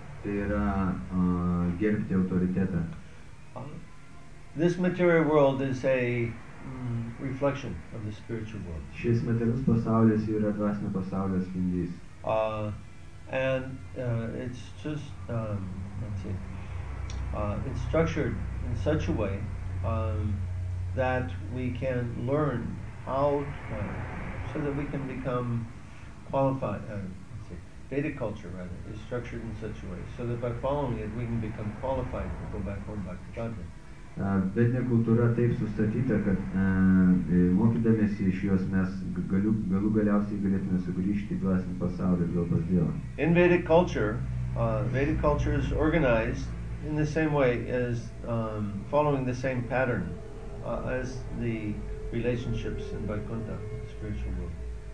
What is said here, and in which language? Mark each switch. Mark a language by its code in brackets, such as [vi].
[lt] Tai yra gerbti autoritetą. [en] This material world is a reflection of the spiritual world. [lt] Šis materialus pasaulis yra dvasinio pasaulio atspindys. [en] It's just it's structured in such a way that we can learn how so that we can become qualified Vedic culture rather is structured in such a way so that by following it we can become qualified to go back home back to Godhead. [lt] Vedinė kultūra taip sustatyta, kad mokydamiesi iš jos mes galų galiausiai galėtume sugrįžti į dvasinį pasaulį ir vėl pas Dievą. [en] In Vedic culture is organized in the same way as following the same pattern as the relationships in Vaikuntha, the spiritual world.